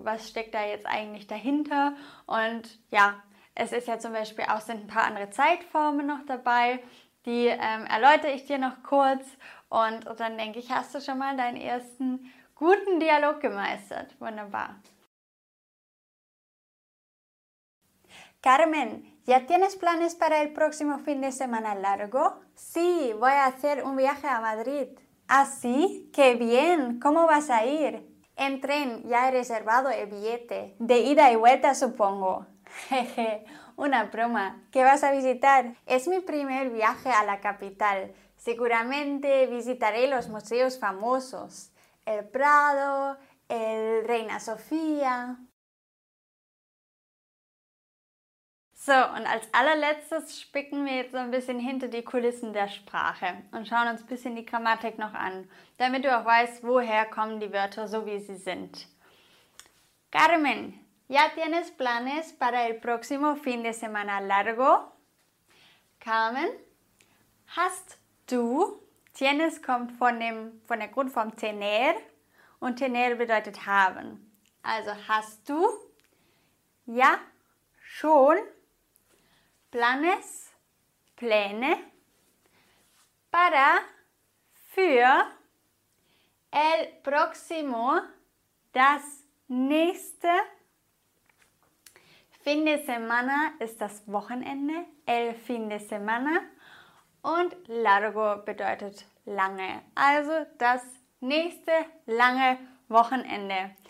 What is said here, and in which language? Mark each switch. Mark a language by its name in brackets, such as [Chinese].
[German] Was steckt da jetzt eigentlich dahinter? Und ja, es ist ja zum Beispiel auch sind ein paar andere Zeitformen noch dabei. Die erläutere ich dir noch kurz und dann denke ich, hast du schon mal deinen ersten guten Dialog gemeistert. Wunderbar. [Spanish] Carmen, ¿ya tienes planes para el próximo fin de semana largo? Sí, voy a hacer un viaje a Madrid. ¿Ah, sí? ¡Qué bien! ¿Cómo vas a ir? En tren, ya he reservado el billete. De ida y vuelta, supongo. Jeje, una broma. ¿Qué vas a visitar? Es mi primer viaje a la capital. Seguramente visitaré los museos famosos. El Prado, el Reina Sofía. [German] So, und als allerletztes spicken wir jetzt so ein bisschen hinter die Kulissen der Sprache und schauen uns ein bisschen die Grammatik noch an, damit du auch weißt, woher kommen die Wörter so, wie sie sind. [Spanish] Carmen, ¿ya tienes planes para el próximo fin de semana largo? [German] Carmen, hast du, tienes kommt von der Grundform tener und tener bedeutet haben. Also hast du, ja, schon, planes, Pläne, para, für, [Spanish] el próximo, [German] das nächste, [Spanish] fin de semana [German] ist das Wochenende, [Spanish] el fin de semana, [German] und largo bedeutet lange, also das nächste lange Wochenende.